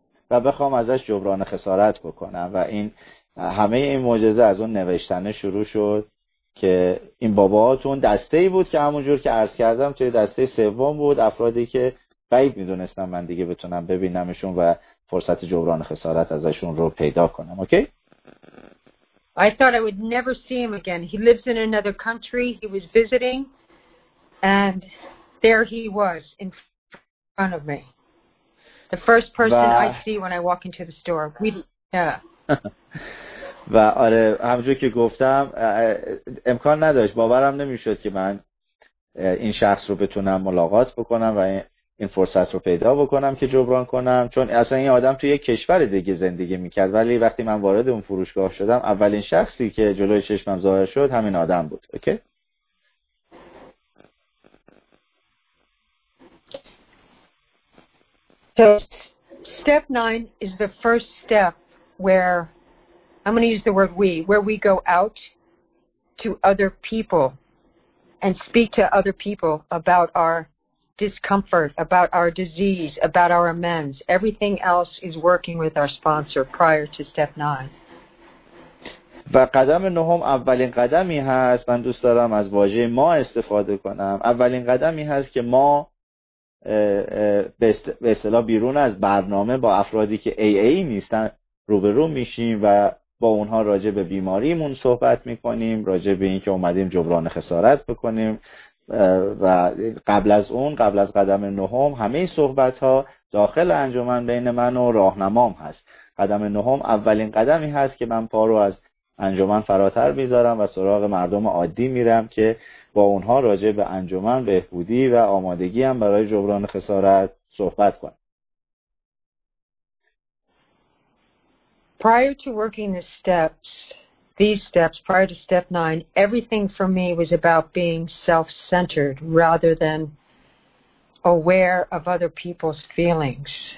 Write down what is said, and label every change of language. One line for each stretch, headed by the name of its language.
Persian: و بخوام ازش جبران خسارت بکنم و این همه این معجزه از اون نوشتنه شروع شد که این بابا هاتون دسته ای بود که همونجور که عرض کردم توی دسته سوم بود، افرادی که بعید میدونستم من دیگه بتونم ببینمشون و فرصت جبران خسارت ازشون رو پیدا کنم.
English: Okay? I thought I would never see him again. He lives in another country. He was visiting, and there he was in front of me. The first person I see when I walk into the store. Yeah.
Persian: و آره همونجور که گفتم امکان نداشت، باورم نمیشد که من این شخص رو بتونم ملاقات بکنم و این فرصت رو پیدا بکنم که جبران کنم، چون اصلا این آدم توی یک کشور دیگه زندگی میکرد، ولی وقتی من وارد اون فروشگاه شدم اولین شخصی که جلوی چشمم ظاهر شد همین آدم بود.
English: Okay? So step 9 is the first step where I'm going to use the word we, where we go out to other people and speak to other people about our discomfort, about our disease, about our amends. Everything else is working with our sponsor prior to step 9.
Persian: و قدم نهم اولین قدمی هست، من دوست دارم از واژه ما استفاده کنم، اولین قدمی هست که ما به اصطلاح بیرون از برنامه با افرادی که AA نیستن روبرو میشیم و با اونها راجع به بیماریمون صحبت میکنیم، راجع به این که اومدیم جبران خسارت بکنیم. و قبل از اون، قبل از قدم نهم، همه صحبت ها داخل انجمن بین من و راهنمام هست. قدم نهم اولین قدمی هست که من پا رو از انجمن فراتر میذارم و سراغ مردم عادی میرم که با اونها راجع به انجمن بهبودی و آمادگی هم برای جبران خسارت صحبت کنم.
English: Prior to working the steps, these steps, prior to step 9, everything for me was about being self-centered rather than aware of other people's feelings.